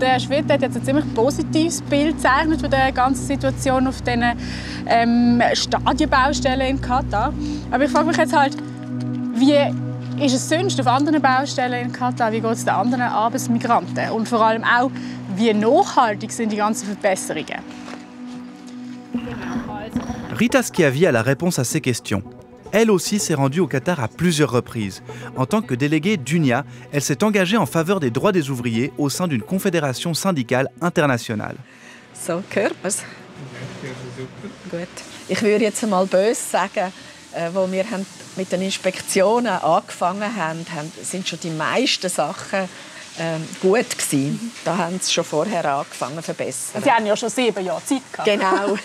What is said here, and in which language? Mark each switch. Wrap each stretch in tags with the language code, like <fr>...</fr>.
<de>Der Schwede hat jetzt ein ziemlich positives Bild zeichnet von der ganzen Situation auf diesen Stadionbaustellen in Katar. Aber ich frage mich jetzt halt, wie ist es sonst auf anderen Baustellen in Katar? Wie geht es den anderen Arbeitsmigranten? Und vor allem auch, wie nachhaltig sind die ganzen Verbesserungen?</de> <fr>Rita Schiavi a la réponse à ces questions. Elle aussi s'est rendue au Qatar à plusieurs reprises. En tant que déléguée d'UNIA, elle s'est engagée en faveur des droits des ouvriers au sein d'une confédération syndicale internationale.</fr> <de>So, Körpers. Gut. Ich würde jetzt mal böse sagen, wo wir mit den Inspektionen angefangen haben, sind schon die meisten Sachen gut gewesen. Da haben sie schon vorher angefangen zu verbessern. Sie haben ja schon 7 Jahre Zeit gehabt. Genau.</de>